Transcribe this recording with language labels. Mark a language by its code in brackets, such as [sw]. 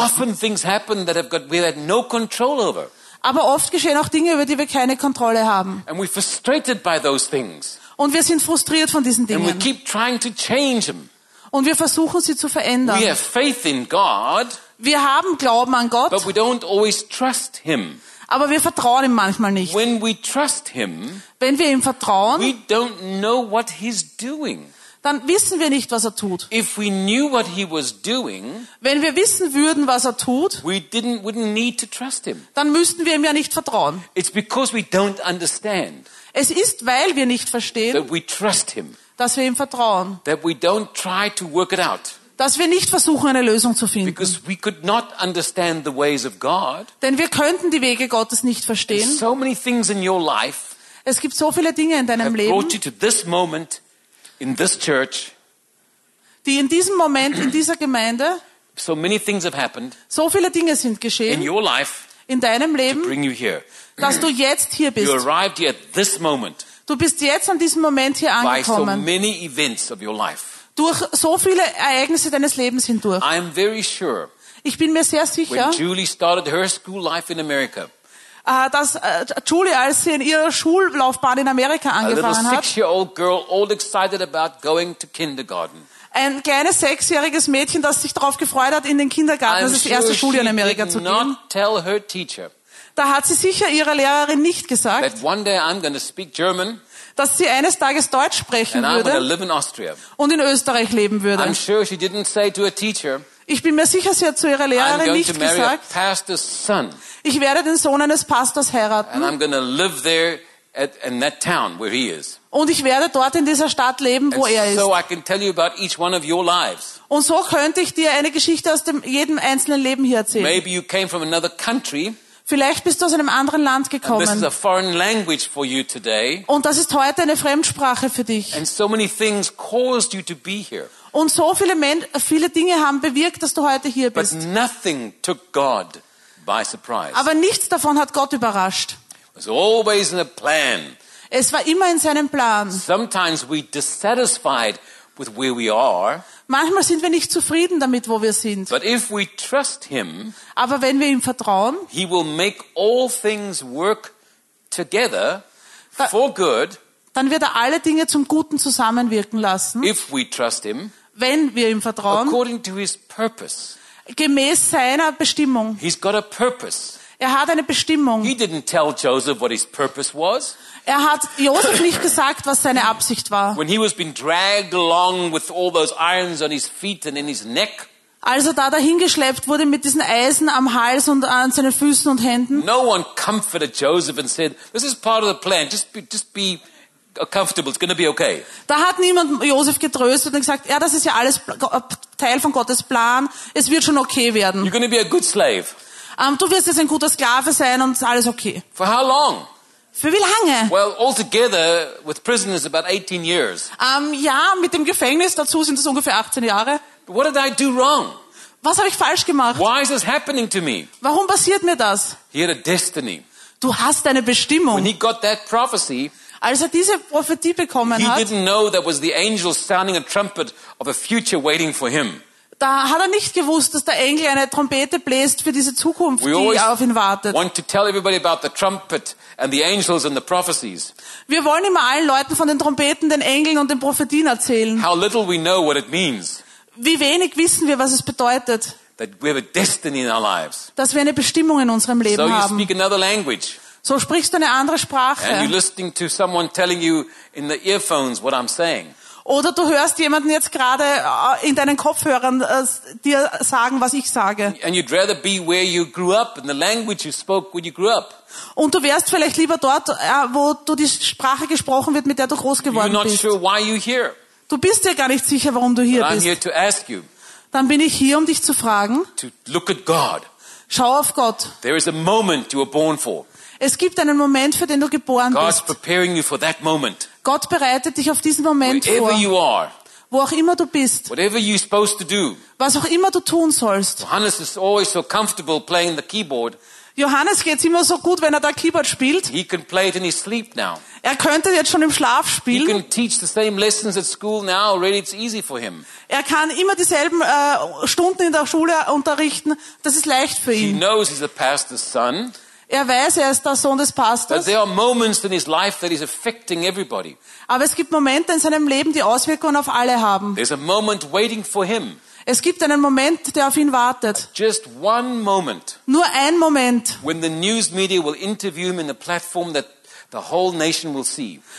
[en] But often things happen that have got, we had no control over. [de] Aber oft geschehen auch Dinge, über die wir keine Kontrolle haben. [en] And we're frustrated by those things. [de] Und wir sind frustriert von diesen Dingen. [en] And we keep trying to change them. [de] Und wir versuchen sie zu verändern. [en] We have faith in God. [de] Wir haben Glauben an Gott. [en] But we don't always trust him. [de] Aber wir vertrauen ihm manchmal nicht. [en] When we trust him, [de] wenn wir ihm vertrauen, [en] we don't know what he's doing. [de] Dann wissen wir nicht, was er tut. [en] If we knew what he was doing, [de] wenn wir wissen würden, was er tut, [en] wouldn't need to trust him. [de] Dann müssten wir ihm ja nicht vertrauen. [en] It's because we don't understand. [de] Es ist, weil wir nicht verstehen, [en] that we trust him. [de] Dass wir ihm vertrauen. [en] That we don't try to work it out. [de] Dass wir nicht versuchen, eine Lösung zu finden. [en] Because we could not understand the ways of God. [de] Denn wir könnten die Wege Gottes nicht verstehen. [en] So many things in your life, [de] es gibt so viele Dinge in deinem Leben, [en] brought you to this moment in this church, [de] die in diesem Moment in dieser Gemeinde, [en] so many things have happened, [de] so viele Dinge sind geschehen [en] in, your life, [de] in deinem Leben, [en] to bring you here. [de] Dass du jetzt hier bist. [en] You arrived here at this moment, [de] du bist jetzt an diesem Moment hier angekommen. [en] By so many events of your life. [de] Durch so viele Ereignisse deines Lebens hindurch. [en] I am very sure, [de] Ich bin mir sehr sicher, [en] when Julie started her school life in America, [de] dass Julie, als sie in ihrer Schullaufbahn in Amerika angefangen hat, [en] six-year-old girl, all excited about going to kindergarten. [de] Ein kleines sechsjähriges Mädchen, das sich darauf gefreut hat, in den Kindergarten, das ist die erste Schule in Amerika zu gehen. [en] Tell her teacher, [de] da hat sie sicher ihrer Lehrerin nicht gesagt, [en] that one day I'm gonna speak German, [de] dass sie eines Tages Deutsch sprechen würde [en] in [de] und in Österreich leben würde. [en] I'm sure she didn't say to a teacher, [de] ich bin mir sicher, sie hat zu ihrer Lehrerin nicht gesagt, [en] a pastor's son, [de] ich werde den Sohn eines Pastors heiraten. [en] And I'm gonna live there at, in that town where he is. [de] Und ich werde dort in dieser Stadt leben, wo er ist. [en] So I can tell you about each one of your lives. [de] Und so könnte ich dir eine Geschichte aus dem, jedem einzelnen Leben hier erzählen. [en] Maybe you came from another country. [de] Vielleicht bist du aus einem anderen Land gekommen. [en] And this is a foreign language for you today. [de] Und das ist heute eine Fremdsprache für dich. [en] And so many things caused you to be here. [de] Und so viele, viele Dinge haben bewirkt, dass du heute hier bist. [en] But nothing took God by surprise. [de] Aber nichts davon hat Gott überrascht. [en] It was always in a plan. [de] Es war immer in seinem Plan. [en] Sometimes we dissatisfied with where we are. [de] Manchmal sind wir nicht zufrieden damit, wo wir sind. [en] But if we trust him, [de] aber wenn wir ihm vertrauen, [en] he will make all things work together for good. [de] Dann wird er alle Dinge zum Guten zusammenwirken lassen. [en] If we trust him, [de] wenn wir ihm vertrauen, [en] according to his purpose, [de] gemäß seiner Bestimmung. [en] He's got a purpose. [de] Er hat eine Bestimmung. [en] He didn't tell Joseph what his purpose was. [de] Er hat Josef nicht gesagt, was seine Absicht war. [en] When he was being dragged along with all those irons on his feet and in his neck. [de] Als er da dahingeschleppt wurde mit diesen Eisen am Hals und an seinen Füßen und Händen. [en] No one comforted Joseph and said, "This is part of the plan. Just be comfortable. It's going to be okay." [de] Da hat niemand Josef getröstet und gesagt, ja, das ist ja alles Teil von Gottes Plan. Es wird schon okay werden. [en] You're going to be a good slave. [de] Du wirst jetzt ein guter Sklave sein und alles okay. [en] For how long? [de] Für wie lange? [en] Well, altogether with prisoners about 18 years. [de] Ja, mit dem Gefängnis dazu sind es ungefähr 18 Jahre. [en] But what did I do wrong? [de] Was habe ich falsch gemacht? [en] Why is this happening to me? [de] Warum passiert mir das? [en] He had a destiny. [de] Du hast eine Bestimmung. [en] When he got that prophecy, [de] als er diese Prophetie bekommen [en] hat, he didn't know that was the angel sounding a trumpet of a future waiting for him. [de] Da hat er nicht gewusst, dass der Engel eine Trompete bläst für diese Zukunft, die auf ihn wartet. [en] Want to tell everybody about the trumpet and the angels and the prophecies. [de] Wir wollen immer allen Leuten von den Trompeten, den Engeln und den Prophetien erzählen. [en] How little we know what it means. [de] Wie wenig wissen wir, was es bedeutet. [en] That we have a destiny in our lives. [de] Dass wir eine Bestimmung in unserem Leben haben. [en] So you speak another language. [de] So sprichst du eine andere Sprache. [en] And you're listening to someone telling you in the earphones what I'm saying. [de] Oder du hörst jemanden jetzt gerade in deinen Kopfhörern dir sagen, was ich sage. [en] And you'd rather be where you grew up in the language you spoke when you grew up. [de] Und du wärst vielleicht lieber dort, wo du die Sprache gesprochen wird, mit der du groß geworden bist. [en] You're not sure why you're here. [de] Du bist dir gar nicht sicher, warum du hier [en] But [de] bist. [en] I'm here to ask you. [de] Dann bin ich hier, um dich zu fragen. [en] To look at God. [de] Schau auf Gott. [en] There is a moment you were born for. [de] Es gibt einen Moment, für den du geboren [en] God's [de] bist. [en] Preparing you for that moment. [de] Gott bereitet dich auf diesen Moment [en] Wherever [de] vor. [en] You are, [de] wo auch immer du bist. [en] Whatever you're supposed to do, [de] was auch immer du tun sollst. [en] Johannes, is always so comfortable playing the keyboard. [de] Johannes geht's immer so gut, wenn er da Keyboard spielt. [en] He can play it in his sleep now. [de] Er könnte jetzt schon im Schlaf spielen. [en] He can teach the same lessons at school now. Already it's easy for him. [de] Er kann immer dieselben Stunden in der Schule unterrichten. Das ist leicht für ihn. [en] He knows he's a pastor's son. [de] Er weiß, er ist der Sohn des Pastors. [en] But there are moments in his life that is affecting everybody. [de] Aber es gibt Momente in seinem Leben, die Auswirkungen auf alle haben. [en] There's a moment waiting for him. [de] Es gibt einen Moment, der auf ihn wartet. [en] Just one moment. [de] Nur ein Moment. [en] When the news media will interview him in the platform that the whole nation will see.